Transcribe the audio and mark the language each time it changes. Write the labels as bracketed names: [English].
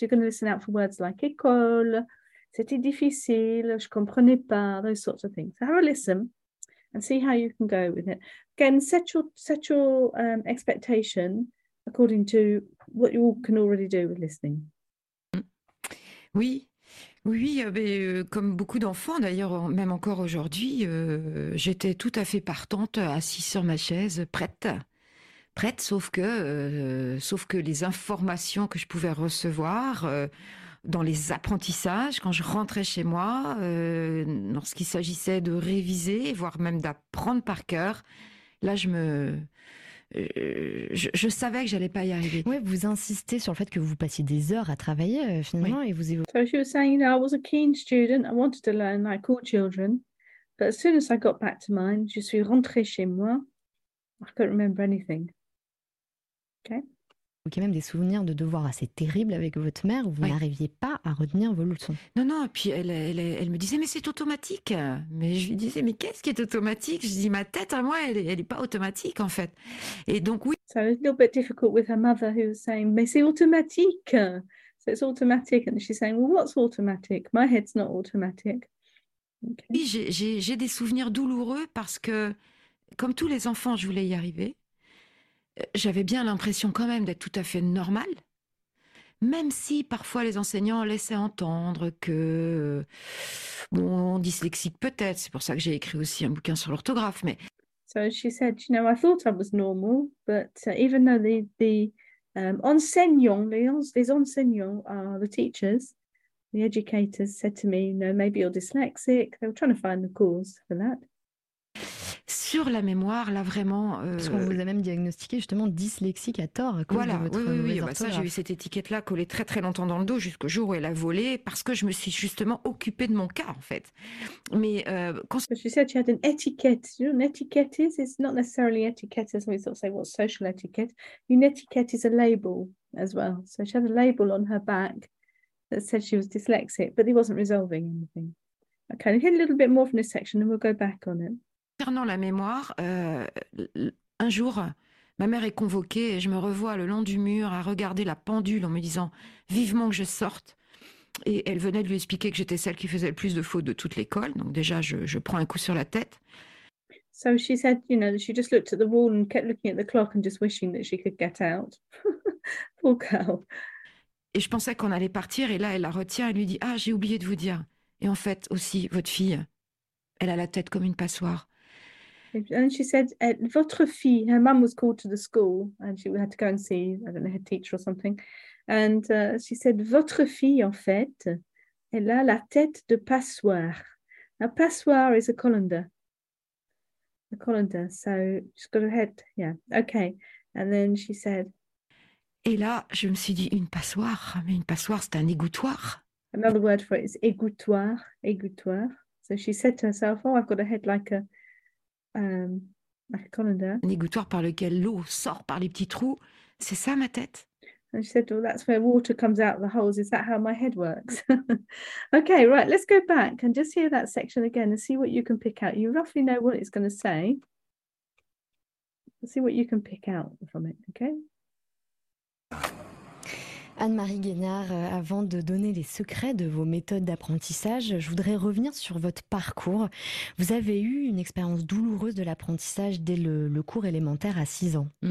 [English] So you're going to listen out for words like [French] école, c'était difficile, je comprenais pas, [English] those sorts of things. So have a listen and see how you can go with it. Again, set your expectation according to what you can already do with listening. [French] Oui. Oui, mais comme beaucoup d'enfants, d'ailleurs, même encore aujourd'hui, j'étais tout à fait partante, assise sur ma chaise, prête, sauf que les informations que je pouvais recevoir dans les apprentissages, quand je rentrais chez moi, lorsqu'il s'agissait de réviser, voire même d'apprendre par cœur, là, je savais que j'allais pas y arriver. Oui, vous insistez sur le fait que vous passiez des heures à travailler finalement, oui. Et vous. [English] So she was saying, you know, I was a keen student. I wanted to learn like all children, but as soon as I got back to mine, [French] je suis rentrée chez moi. [English] I couldn't remember anything. Okay. [French] Ok, même des souvenirs de devoirs assez terribles avec votre mère où vous, oui, n'arriviez pas à retenir vos leçons. Non, non. Et puis elle me disait, mais c'est automatique. Mais je lui disais, mais qu'est-ce qui est automatique? Je dis, ma tête à moi, elle est pas automatique en fait. Et donc oui. [English] So a little bit difficult with her mother who was saying, [French] mais c'est automatique. [English] So it's automatic, and she's saying, well, what's automatic? My head's not automatic. Okay. [French] Oui, j'ai des souvenirs douloureux parce que, comme tous les enfants, je voulais y arriver. J'avais bien l'impression quand même d'être tout à fait normale. Même si parfois les enseignants laissaient entendre que, bon, dyslexique peut-être, c'est pour ça que j'ai écrit aussi un bouquin sur l'orthographe, mais... [English] So she said, you know, I thought I was normal, but even though the enseignants are the teachers, the educators said to me, you know, maybe you're dyslexic. They were trying to find the cause for that. [French] Sur la mémoire, là vraiment. Parce qu'on vous a même diagnostiqué justement dyslexique à tort à cause de Voilà, votre oui. mauvaise Bah ça, j'ai eu orthographe. cette étiquette-là collée très très longtemps dans le dos jusqu'au jour où elle a volé, parce que je me suis justement occupée de mon cas, en fait. Mais quand [English] So she said she had an etiquette. You know, an etiquette is, it's not necessarily etiquette as we sort of say, what's social etiquette? An etiquette is a label as well. So she had a label on her back that said she was dyslexic, but it wasn't resolving anything. Okay, we'll hear a little bit more from this section and we'll go back on it. [French] Concernant la mémoire, un jour, ma mère est convoquée et je me revois le long du mur à regarder la pendule en me disant vivement que je sorte. Et elle venait de lui expliquer que j'étais celle qui faisait le plus de fautes de toute l'école. Donc déjà, je prends un coup sur la tête. [English] So she said, you know, she just looked at the wall and kept looking at the clock and just wishing that she could get out. Poor girl. [French] Et je pensais qu'on allait partir et là, elle la retient et lui dit, Ah, j'ai oublié de vous dire. Et en fait, aussi, votre fille, elle a la tête comme une passoire. [English] And she said, [French] votre fille, [English] her mum was called to the school and she had to go and see, I don't know, her teacher or something. And she said, [French] votre fille, en fait, elle a la tête de passoire. [English] A passoire is a colander. A colander, so she's got a head, yeah, okay. And then she said, [French] Et là, je me suis dit, une passoire, mais une passoire, c'est un égouttoir. [English] another word for it is égouttoir, égouttoir. So she said to herself, oh, I've got a head like a colander. [French] Un égouttoir par lequel l'eau sort par les petits trous, c'est ça ma tête? [English] And she said, well, that's where water comes out of the holes. Is that how my head works? Okay, right, let's go back and just hear that section again and see what you can pick out. You roughly know what it's going to say. Let's see what you can pick out from it, okay? [French] Anne-Marie Guénard, avant de donner les secrets de vos méthodes d'apprentissage, je voudrais revenir sur votre parcours. Vous avez eu une expérience douloureuse de l'apprentissage dès le cours élémentaire à 6 ans.